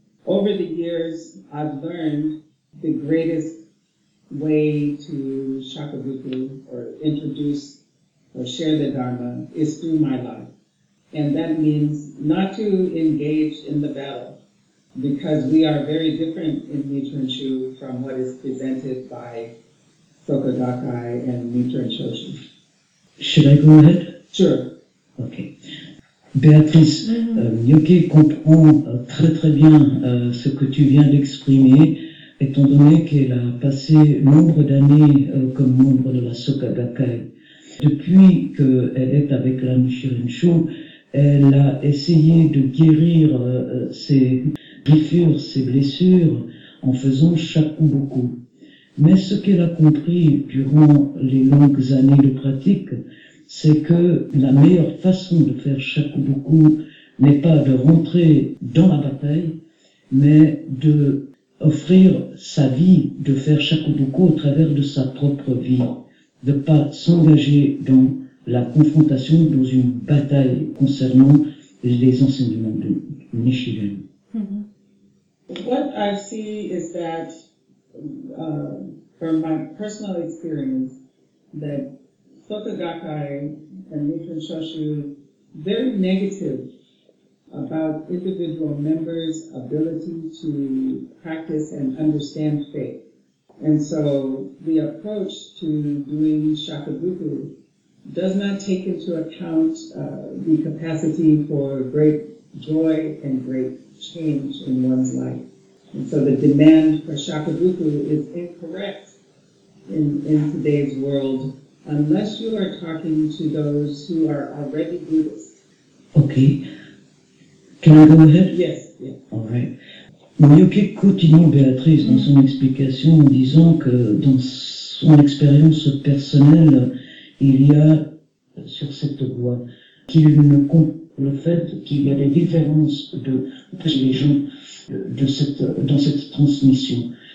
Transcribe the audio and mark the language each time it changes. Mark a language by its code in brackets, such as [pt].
[en] Over the years, I've learned the greatest way to shakabuku or introduce or share the Dharma is through my life. And that means not to engage in the battle, because we are very different in Nichiren Shu from what is presented by Soka Gakkai and Nichiren Shoshin. Should I go ahead? Sure. Okay. [fr] Béatrice, Nyoké comprend très très bien ce que tu viens d'exprimer, étant donné qu'elle a passé nombre d'années comme membre de la Soka Gakkai. Depuis qu'elle est avec la Nichiren Shu, elle a essayé de guérir ses griffures, ses blessures, en faisant shakubuku. Mais ce qu'elle a compris durant les longues années de pratique, c'est que la meilleure façon de faire shakubuku n'est pas de rentrer dans la bataille, mais de offrir sa vie, de faire shakubuku au travers de sa propre vie, de pas s'engager dans la confrontation, dans une bataille concernant les enseignements de Nichiren. [en] What I see is that, from my personal experience, that Soka Gakkai and Nichiren Shoshu, very negative about individual members' ability to practice and understand faith. And so the approach to doing shakabuku does not take into account the capacity for great joy and great change in one's life. And so the demand for shakabuku is incorrect in today's world, unless you are talking to those who are already Buddhists. Okay. Can I go ahead? Yes. Yes. All right. [fr] Nyoké continue, Béatrice, dans son explication, en disant que dans son expérience personnelle, il y a sur cette voie qu'il ne compte le fait qu'il y a des différences de les gens dans cette transmission.